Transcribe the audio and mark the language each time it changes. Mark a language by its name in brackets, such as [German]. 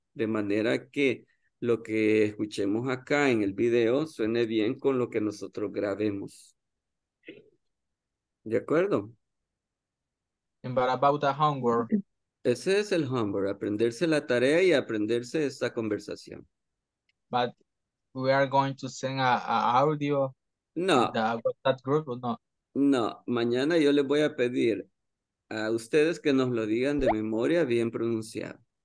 [Spanish] De manera que lo que escuchemos acá en el video suene bien con lo que nosotros grabemos. ¿De acuerdo? [English] And what about the homework? [Spanish] Ese es el homework, aprenderse la tarea y aprenderse esta conversación. [English] But we are going to send an audio. [Spanish] No. [English] That group or not? [Spanish] No, mañana yo les voy a pedir a ustedes que nos lo digan de memoria bien pronunciado.